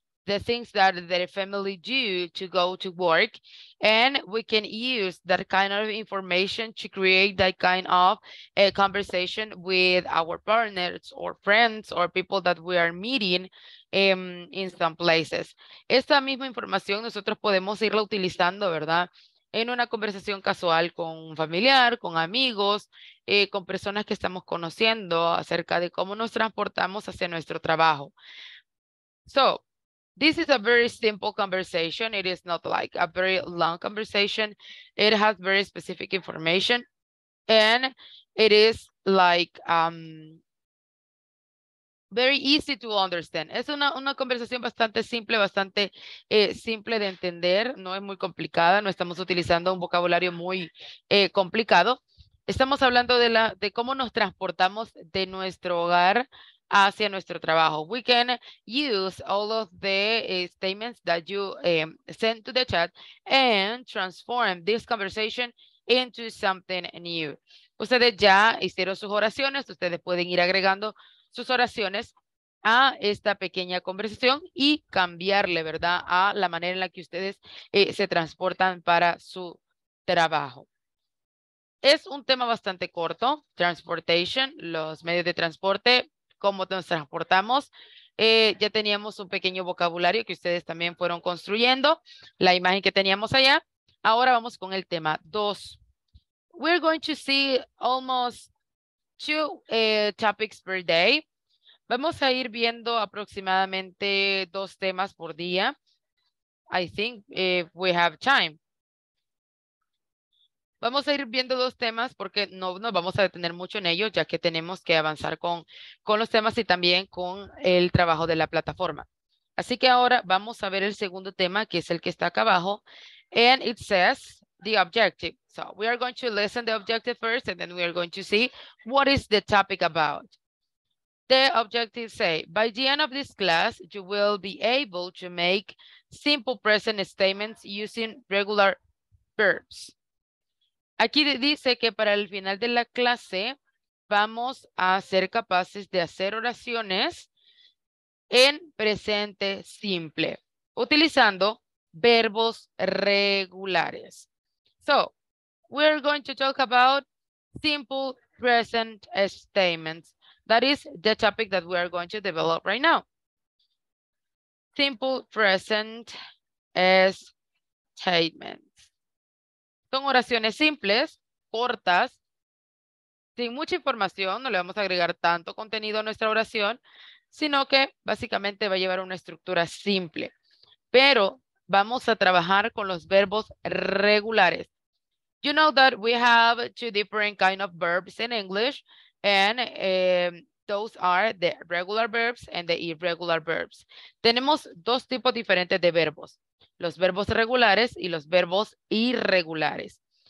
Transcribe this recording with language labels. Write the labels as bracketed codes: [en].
[en] the things that their family do to go to work, and we can use that kind of information to create that kind of a conversation with our partners or friends or people that we are meeting in some places. [es] Esta misma información nosotros podemos irla utilizando, ¿verdad?, en una conversación casual con un familiar, con amigos, con personas que estamos conociendo acerca de cómo nos transportamos hacia nuestro trabajo. [en] So, this is a very simple conversation. It is not like a very long conversation. It has very specific information. And it is like very easy to understand. [es] Es una conversación bastante simple, bastante simple de entender. No es muy complicada. No estamos utilizando un vocabulario muy complicado. Estamos hablando de cómo nos transportamos de nuestro hogar hacia nuestro trabajo. [en] We can use all of the statements that you send to the chat and transform this conversation into something new. [es] Ustedes ya hicieron sus oraciones. Ustedes pueden ir agregando sus oraciones a esta pequeña conversación y cambiarle, ¿verdad?, a la manera en la que ustedes se transportan para su trabajo. Es un tema bastante corto, transportation, los medios de transporte, cómo nos transportamos. Ya teníamos un pequeño vocabulario que ustedes también fueron construyendo, la imagen que teníamos allá. Ahora vamos con el tema 2. [en] We're going to see almost 2 topics per day. [es] Vamos a ir viendo aproximadamente 2 temas por día. [en] I think if we have time. [es] Vamos a ir viendo 2 temas porque no nos vamos a detener mucho en ellos, ya que tenemos que avanzar con los temas y también con el trabajo de la plataforma. Así que ahora vamos a ver el segundo tema, que es el que está acá abajo. [en] And it says the objective. So we are going to listen the objective first, and then we are going to see what is the topic about. The objective say, by the end of this class, you will be able to make simple present statements using regular verbs. [es] Aquí dice que para el final de la clase vamos a ser capaces de hacer oraciones en presente simple, utilizando verbos regulares. [en] So, we're going to talk about simple present statements. That is the topic that we are going to develop right now. Simple present statements. [es] Son oraciones simples, cortas, sin mucha información. No le vamos a agregar tanto contenido a nuestra oración, sino que básicamente va a llevar una estructura simple. Pero vamos a trabajar con los verbos regulares. [en] You know that we have 2 different kind of verbs in English, and those are the regular verbs and the irregular verbs. [es] Tenemos 2 tipos diferentes de verbos. Los verbos regulares y los verbos irregulares.